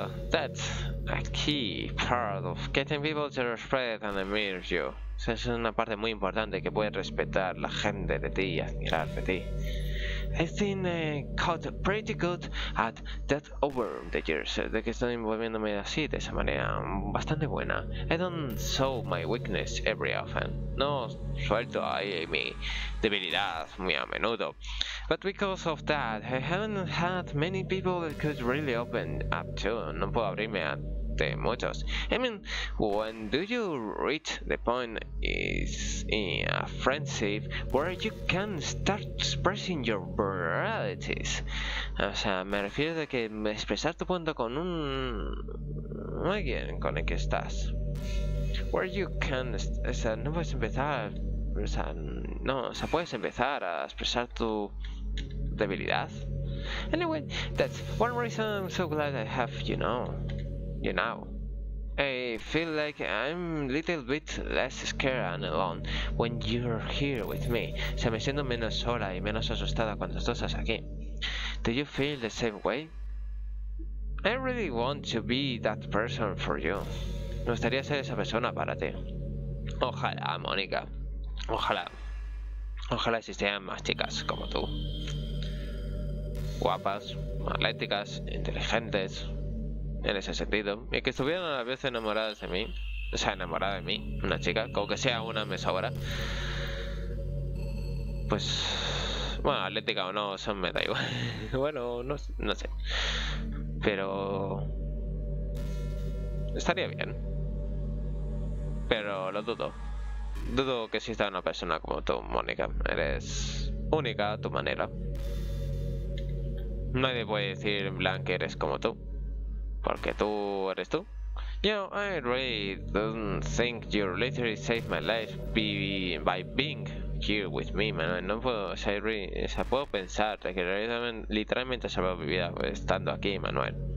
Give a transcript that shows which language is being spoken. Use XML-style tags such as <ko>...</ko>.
<en>That's a key part of getting people to respect and admire you.</en> <es>Es una parte muy importante que puede respetar la gente de ti y admirar de ti.</es> <en>I've been caught pretty good at that over the years.</en> <es>De que estoy envolviéndome así, de esa manera, bastante buena.</es> <en>I don't show my weakness every often.</en> <es>No suelto ahí mi debilidad muy a menudo.</es> <en>But because of that, I haven't had many people that could really open up to.</en> <es>No puedo abrirme a de muchos.</es> <en>I mean, when do you reach the point is in a friendship where you can start expressing your realities?</en> <es>O sea, me refiero a que expresar tu punto con un alguien con el que estás.</es> <en>Where you can,</en> <es>o sea, no puedes empezar, o sea, no, o sea, puedes empezar a expresar tu debilidad.</es> <en>Anyway, that's one reason I'm so glad I have you know. You know, I feel like I'm a little bit less scared and alone when you're here with me.</en> <es>O sea, me siento menos sola y menos asustada cuando tú estás aquí.</es> <en>Do you feel the same way? I really want to be that person for you.</en> <es>Me gustaría ser esa persona para ti. Ojalá, Monika. Ojalá. Ojalá existieran más chicas como tú. Guapas, atléticas, inteligentes. En ese sentido, y que estuvieran a la vez enamoradas de mí, o sea, enamorada de mí, una chica, como que sea una, me sobra. Pues, bueno, atlética o no, eso me da igual. Bueno, no sé, pero estaría bien, pero lo dudo. Dudo que exista una persona como tú, Monika. Eres única a tu manera. Nadie puede decir en plan que eres como tú. Porque tú eres tú.</es> <en>You know, I really don't think you literally saved my life by being here with me, man.</en> <es>No puedo, o sea, puedo pensar que literalmente salvado mi vida estando aquí, Manuel.</es>